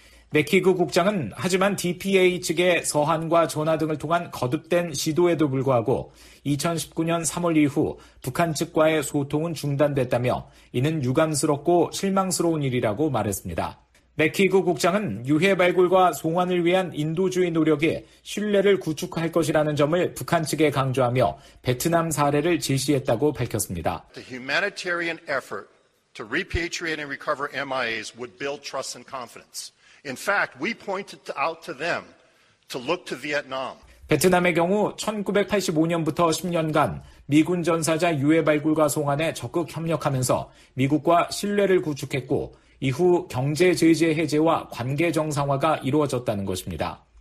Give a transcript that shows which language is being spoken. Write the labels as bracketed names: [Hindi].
[Korean] 맥키그 국장은 하지만 DPA 측의 서한과 전화 등을 통한 거듭된 시도에도 불구하고 2019년 3월 이후 북한 측과의 소통은 중단됐다며 이는 유감스럽고 실망스러운 일이라고 말했습니다. 맥키그 국장은 유해 발굴과 송환을 위한 인도주의 노력이 신뢰를 구축할 것이라는 점을 북한 측에 강조하며 베트남 사례를 제시했다고 밝혔습니다. [English] The humanitarian effort to repatriate and recover MIAs would build trust and confidence. In fact, we pointed out to them to look to Vietnam. [Korean] 베트남의 경우 1985년부터 10년간 미군 전사자 유해 발굴과 송환에 적극 협력하면서 미국과 신뢰를 구축했고 이후 경제 제재 해제와 관계 정상화가 이루어졌다는 것입니다.